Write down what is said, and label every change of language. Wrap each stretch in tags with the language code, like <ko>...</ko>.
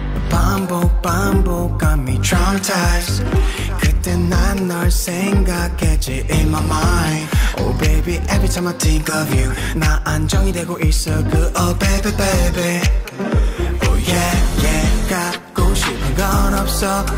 <ko>반복 반복</ko> <en>got me traumatized.</en> <ko>그때 난 널 생각했지</ko> <en>in my mind. Oh baby, every time I think of you,</en> <ko>나 안정이 되고 있어.</ko> <en>Good, oh baby, baby. Oh yeah, yeah,</en> <ko>갖고 싶은 건 없어.</ko>